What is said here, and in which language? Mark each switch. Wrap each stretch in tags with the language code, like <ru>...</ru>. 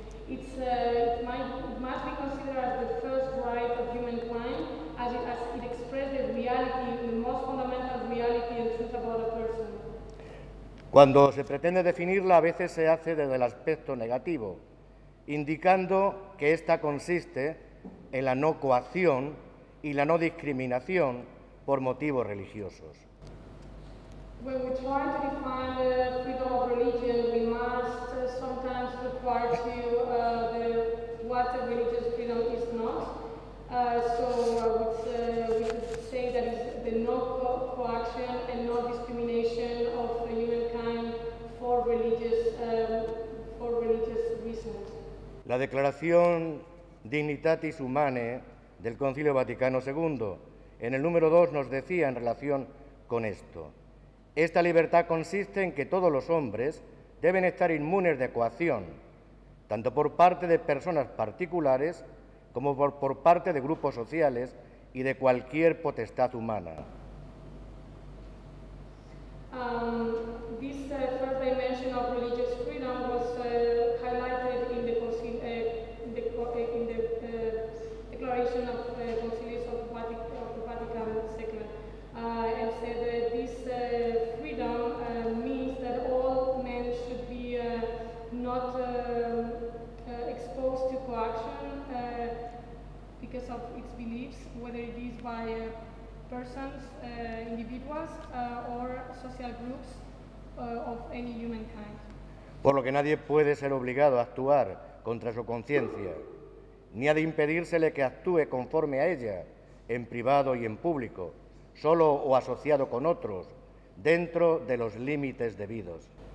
<en>It must be considered as the first right of humankind as it expresses the reality, the most fundamental reality and truth about a person.</en> <es>Cuando se pretende definirla, a veces se hace desde el aspecto negativo, indicando que esta consiste en la no coacción y la no discriminación por motivos religiosos.</es> <en>When we try to define the freedom of religion, we must sometimes refer to what a religious freedom is not. So we could say that it's the no coaction and no discrimination of the humankind for religious reasons.</en> <es>La declaración Dignitatis Humanae del Concilio Vaticano II, en el número 2, nos decía en relación con esto: esta libertad consiste en que todos los hombres deben estar inmunes de coacción, tanto por parte de personas particulares como por parte de grupos sociales y de cualquier potestad humana.</es> <en>This first dimension of religious freedom was highlighted in the Declaration of the Concilius of the Vatican II. And said that this freedom means that all men should be not exposed to coercion because of its beliefs, whether it is by persons, individuals, or social groups of any humankind.</en> <es>Por lo que nadie puede ser obligado a actuar contra su conciencia, ni ha de impedírsele que actúe conforme a ella, en privado y en público, solo o asociado con otros, dentro de los límites debidos.</es>